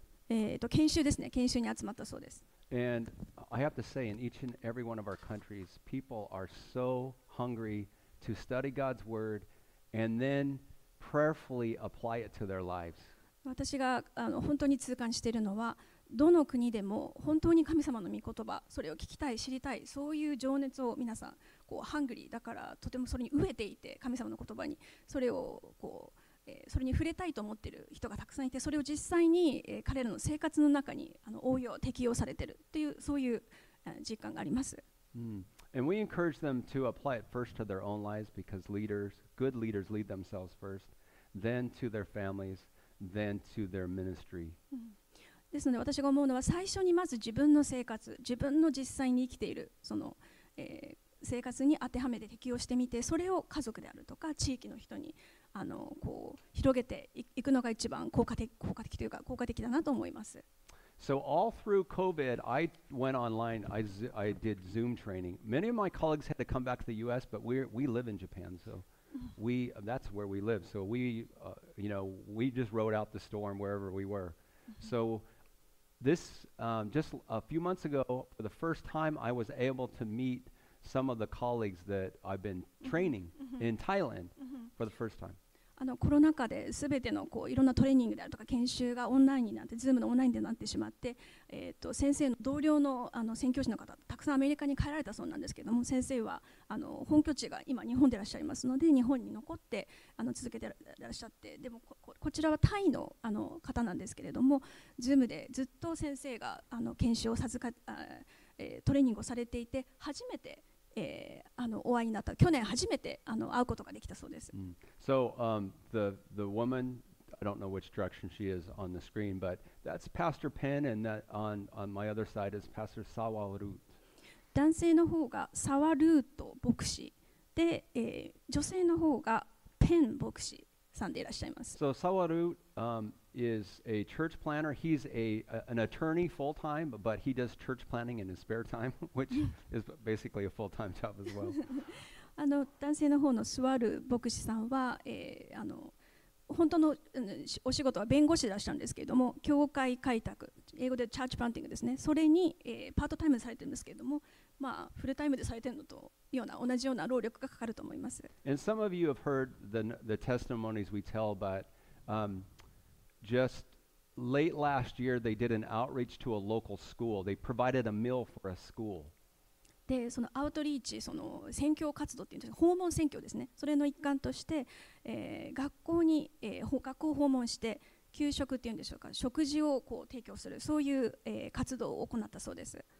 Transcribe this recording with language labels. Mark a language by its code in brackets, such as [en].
[ja] 研修ですね、研修に集まったそうです。 [en] And I have to say in each and every one of our countries people are so hungry to study God's wordAnd then prayerfully apply it to their lives. [ja] 私が本当に痛感しているのは、どの国でも本当に神様の御言葉、それを聞きたい、知りたい、そういう情熱を皆さんこうハングリーだからとてもそれに飢えていて、神様の言葉にそれをこう、それに触れたいと思っている人がたくさんいて、それを実際に、彼らの生活の中に応用適用されているというそういう、実感があります。 [en] And we encourage them to apply it first to their own lives because leaders, good leaders lead themselves first, then to their families, then to their ministry. [ja] ですので私が思うのは最初にまず自分の生活、自分の実際に生きているその、生活に当てはめて適用してみて、それを家族であるとか地域の人にこう広げていくのが一番効果的というか効果的だなと思います。 [en] So all through COVID, I went online, I did Zoom training. Many of my colleagues had to come back to the U.S., but we live in Japan, so that's where we live. So we just rode out the storm wherever we were. So this, just a few months ago, for the first time, I was able to meet some of the colleagues that I've been training in Thailand for the first time. [ja] コロナ禍で全てのこういろんなトレーニングであるとか研修がオンラインになって、Zoom のオンラインでなってしまって、先生の同僚 の, 宣教師の方、たくさんアメリカに帰られたそうなんですけども、先生は本拠地が今日本でいらっしゃいますので、日本に残って続けていらっしゃって、でも こちらはタイ の, 方なんですけれども、Zoom でずっと先生が研修を授かトレーニングをされていて、初めてお会いになった、去年初めて会うことができたそうです。 [en] So, the woman, I don't know which direction she is on the screen, but that's Pastor Penn, and that on my other side is Pastor Sawarut. [ja] 男性の方がサワルート牧師で、女性の方がペン牧師さんでいらっしゃいます。 [en] So, Sawarut, is a church planner. He's an attorney full-time, but he does church planning in his spare time, which is basically a full-time job as well. [ja] 男性の方のスワル牧師さんは、本当の、お仕事は弁護士でしたんですけれども、教会開拓、英語でチャーチプランティングですね、それに、パートタイムされてるんですけれども、まあ、フルタイムでされてるのとような同じような労力がかかると思います。 [en] And some of you have heard the testimonies we tell, but just late last year they did an outreach to a local school. They provided a meal for a school. [ja] でそのアウトリーチ、その宣教活動というんですが、訪問宣教ですね、それの一環として、学校に、学校を訪問して給食というんでしょうか、食事をこう提供する、そういう、活動を行ったそうです。